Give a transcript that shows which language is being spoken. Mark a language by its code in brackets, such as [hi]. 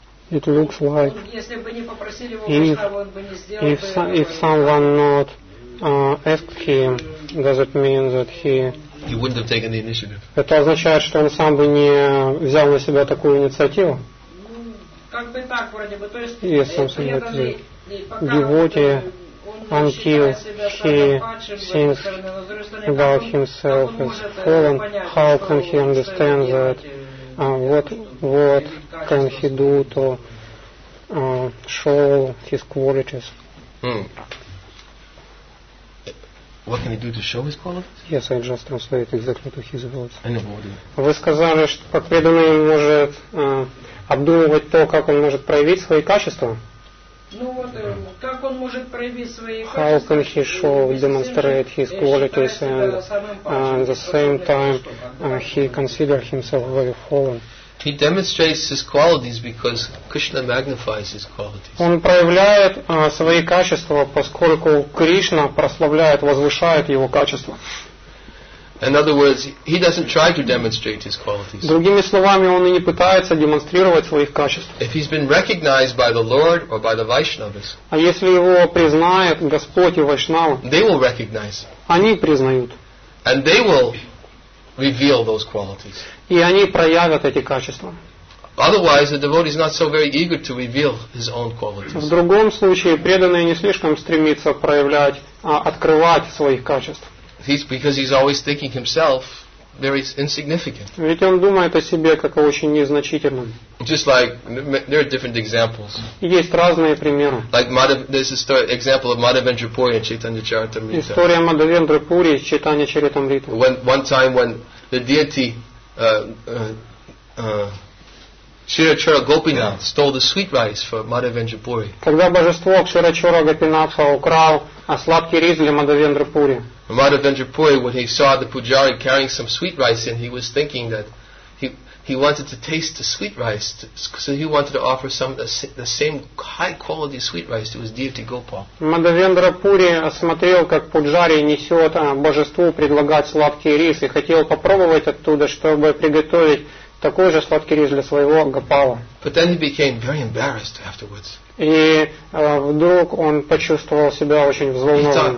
[en] It looks like if someone not asked him, does it mean that he wouldn't have taken the initiative? [ru] Это означает, что он сам бы не взял на себя такую инициативу? Как бы так, вроде бы. То есть, [en] yes, something like that. Devotee, until he thinks about himself as fallen, how can he understand that? What can he do to show his qualities? What can he do to show his qualities? Yes, I just translated exactly to his words. In the body. [ru] Вы сказали, что преданный может обдумывать то, как он может проявить свои качества. Ну вот, как он может проявить свои [en] How can he show, demonstrate his qualities and at the same time he considers himself very fallen? He demonstrates his qualities because Krishna magnifies his qualities. [ru] Он проявляет свои качества, поскольку Кришна прославляет, возвышает его качества. [en] In other words, he doesn't try to demonstrate his qualities. [ru] Другими словами, он и не пытается демонстрировать своих качеств. [en] If he's been recognized by the Lord or by the Vaishnavas, [ru] а если его признает Господь и Вайшнава, [en] they will recognize. [ru] Они признают. [en] And they will reveal those qualities. [ru] И они проявят эти качества. [en] Otherwise, the devotee is not so very eager to reveal his own qualities. [ru] В другом случае, преданный не слишком стремится проявлять, открывать своих качеств. [en] Because he's always thinking himself very insignificant. [ru] Ведь он думает о себе как о очень незначительном. [en] Just like there are different examples. [ru] Есть разные примеры. [en] Like there's a story, example of Madhavendra Puri and Chaitanya Charitamrita. [ru] История Мадхавендры Пури и Чайтанья Чаритамриты. [en] When one time when the deity Kshirachara Gopinath stole the sweet rice for Madhavendra Puri. [ru] Когда божество Кширачара Гопинатха украл сладкий рис для Мадхавендры Пури. [en] Madhavendra Puri, when he saw the pujari carrying some sweet rice in, he was thinking that he wanted to taste the sweet rice, so he wanted to offer some the same high quality sweet rice to his deity Gopal. [ru] Madhavendra Puri осмотрел, как пуджари несет божеству предлагать сладкий рис, и хотел попробовать оттуда, чтобы приготовить такой же сладкий рис для своего Гопала. [en] But then he became very embarrassed afterwards. [ru] И вдруг он почувствовал себя очень взволнованным.